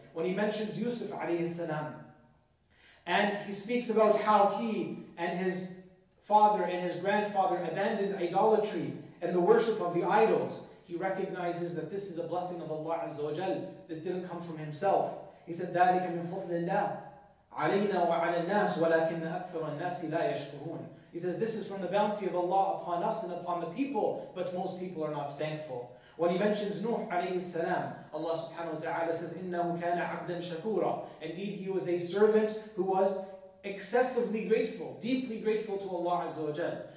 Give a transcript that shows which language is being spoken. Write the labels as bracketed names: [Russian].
[English] When He mentions Yusuf alayhi salam, and He speaks about how he and his father and his grandfather abandoned idolatry and the worship of the idols, he recognizes that this is a blessing of Allah azza wa jal. This didn't come from himself. He said, [Arabic] ذَلِكَ مِنْ فُضْلِ اللَّهِ عَلَيْنَا وَعَلَى النَّاسِ وَلَكِنَّ أَكْثَرَ النَّاسِ لَا يَشْكُرُونَ. [English] He says, this is from the bounty of Allah upon us and upon the people, but most people are not thankful. When he mentions Nuh alayhi salam, Allah subhanahu wa ta'ala says, [Arabic] إِنَّهُ كَانَ عَبْدًا شَكُورًا. [English] Indeed, he was a servant who was excessively grateful, deeply grateful to Allah azza wa jal.